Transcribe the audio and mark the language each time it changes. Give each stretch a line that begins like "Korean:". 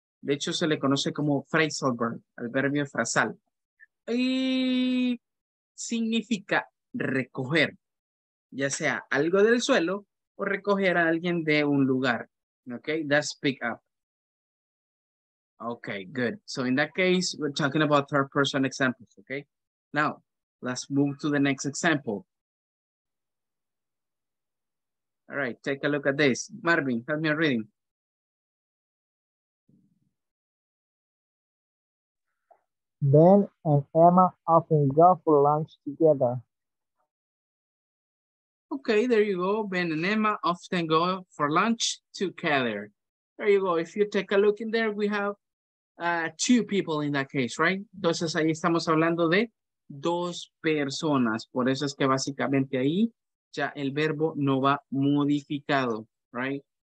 Spanish: De hecho, se le conoce como phrasal verb, el verbo frasal. Y significa recoger, ya sea algo del suelo o recoger a alguien de un lugar.
English: Okay, that's pick up. Okay, good. So in that case, we're talking about third person examples, okay? Now, let's move to the next example. All right, take a look at this. Marvin, help me reading. Ben and Emma often go for lunch together. Okay, there you go. Ben and Emma often go for lunch together. There you go. If you take a look in there, we have two people in that case, right?
Spanish: Entonces, ahí estamos hablando de dos personas. Por eso es que básicamente ahí ya el verbo no va modificado, right?